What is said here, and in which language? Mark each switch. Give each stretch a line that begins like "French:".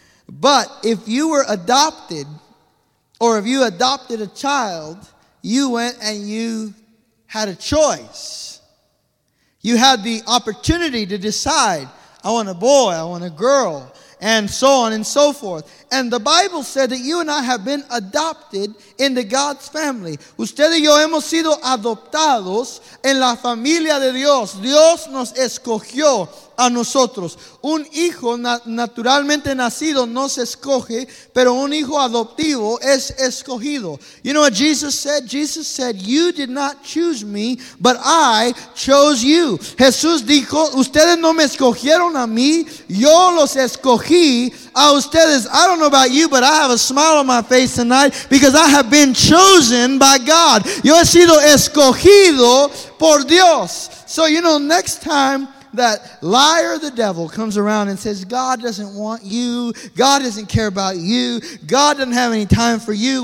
English: But if you were adopted, or if you adopted a child, you went and you had a choice. You had the opportunity to decide, I want a boy, I want a girl, and so on and so forth. And the Bible said that you and I have been adopted into God's family.
Spanish: Usted y yo hemos sido adoptados en la familia de Dios. Dios nos escogió a nosotros. Un hijo naturalmente nacido no se escoge, pero un hijo adoptivo es escogido.
English: You know what Jesus said? Jesus said, you did not choose me, but I chose you.
Spanish: Jesús dijo, ustedes no me escogieron a mí, yo los escogí a ustedes.
English: I don't know about you, but I have a smile on my face tonight because I have been chosen by God.
Spanish: Yo he sido escogido por Dios.
English: So, you know, next time that liar, the devil, comes around and says, God doesn't want you. God doesn't care about you. God doesn't have any time for you.